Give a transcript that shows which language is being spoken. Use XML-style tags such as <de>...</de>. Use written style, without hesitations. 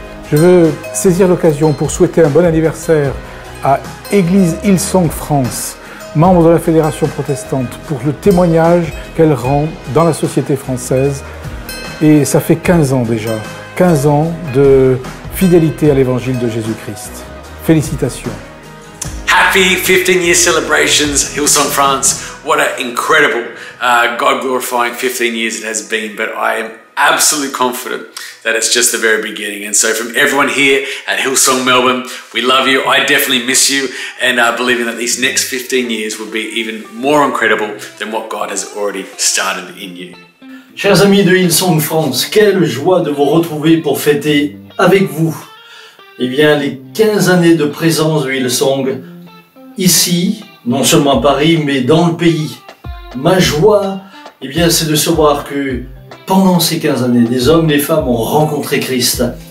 <fr>Je veux saisir l'occasion pour souhaiter un bon anniversaire à Église Hillsong France, membre de la Fédération protestante, pour le témoignage qu'elle rend dans la société française. Et ça fait 15 ans déjà, 15 ans de fidélité à l'Évangile de Jésus-Christ. Félicitations.</fr> <en>Happy 15 year celebrations, Hillsong France. What an incredible, God glorifying 15 years it has been, but I am absolutely confident that it's just the very beginning. And so from everyone here at Hillsong Melbourne, we love you. I definitely miss you, and I believe in that these next 15 years will be even more incredible than what God has already started in you.</en> <fr>Chers amis de Hillsong France, quelle joie de vous retrouver pour fêter avec vous, eh bien, les 15 années de présence de Hillsong ici, non seulement à Paris, mais dans le pays. Ma joie, eh bien, c'est de savoir que pendant ces 15 années, des hommes et des femmes ont rencontré Christ.</fr>